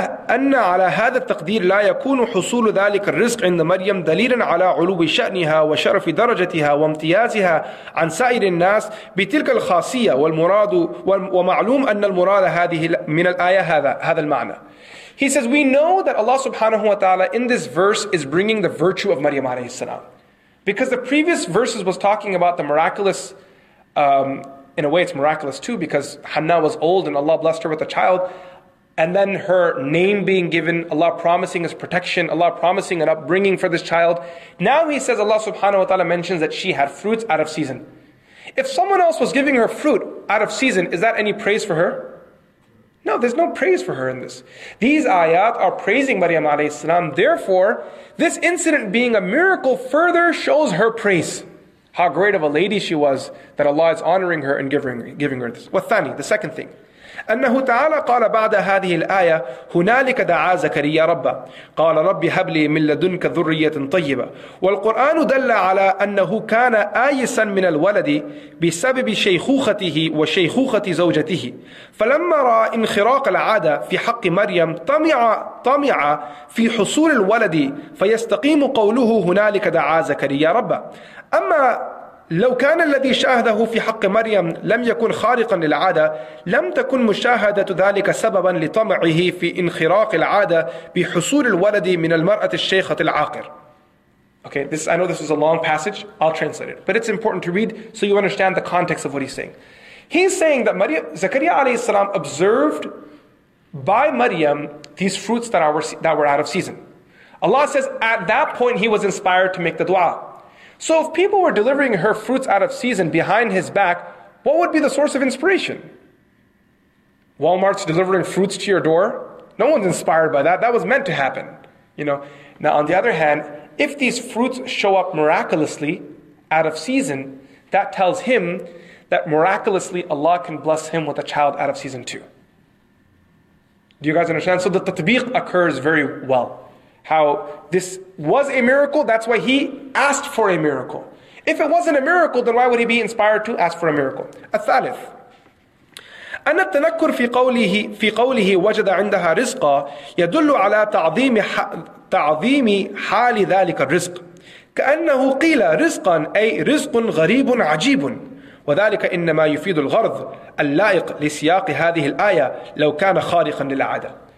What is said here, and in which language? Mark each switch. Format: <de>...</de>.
<ar>أن على هذا التقدير لا يكون حصول ذلك الرزق عند مريم دليلا على علو شأنها وشرف درجتها وامتيازها عن سائر الناس بتلك الخاصية والمراد ومعلوم أن المراد هذه من الآية هذا المعنى.</ar> <en>He says, we know that Allah subhanahu wa ta'ala in this verse is bringing the virtue of Maryam alayhi salam, because the previous verses was talking about the miraculous in a way it's miraculous too, because Hanna was old and Allah blessed her with a child. And then her name being given, Allah promising his protection, Allah promising an upbringing for this child. Now he says Allah subhanahu wa ta'ala mentions that she had fruits out of season. If someone else was giving her fruit out of season, is that any praise for her? No, there's no praise for her in this. These ayat are praising Maryam alayhi salam. Therefore, this incident being a miracle further shows her praise. How great of a lady she was that Allah is honoring her and giving her this. Wathani, the second thing.</en> <ar>أنه تعالى قال بعد هذه الآية هنالك دعا زكريا ربه قال رب هب لي من لدنك ذرية طيبة والقرآن دل على أنه كان آيسا من الولد بسبب شيخوخته وشيخوخة زوجته فلما رأى انخراق العادة في حق مريم طمع في حصول الولد فيستقيم قوله هنالك دعا زكريا ربه أما لو كان الذي شاهده في حق مريم لم يكن خارقا للعادة لم تكن مشاهدة ذلك سببا لطمعه في انخراق العادة بحصول الولد من المرأة الشيخة العاقر.</ar> <en>Okay, this, I know this is a long passage, I'll translate it, but it's important to read so you understand the context of what he's saying. He's saying that Maryam, Zakaria alayhi salam observed by Maryam these fruits that were out of season. Allah says at that point he was inspired to make the dua. So if people were delivering her fruits out of season behind his back, what would be the source of inspiration? Walmart's delivering fruits to your door? No one's inspired by that. That was meant to happen. You know. Now on the other hand, if these fruits show up miraculously out of season, that tells him that miraculously Allah can bless him with a child out of season too. Do you guys understand? So the tatbiq occurs very well. How this was a miracle, that's why he asked for a miracle. If it wasn't a miracle, then why would he be inspired to ask for a miracle?</en> <ar>الثالث أن التنكر في قوله وجد عندها رزقا يدل على تعظيم حال ذلك الرزق كأنه قيل رزقا أي رزق غريب عجيب وذلك إنما يفيد الغرض اللائق لسياق هذه الآية لو كان خارقا للعادة.</ar>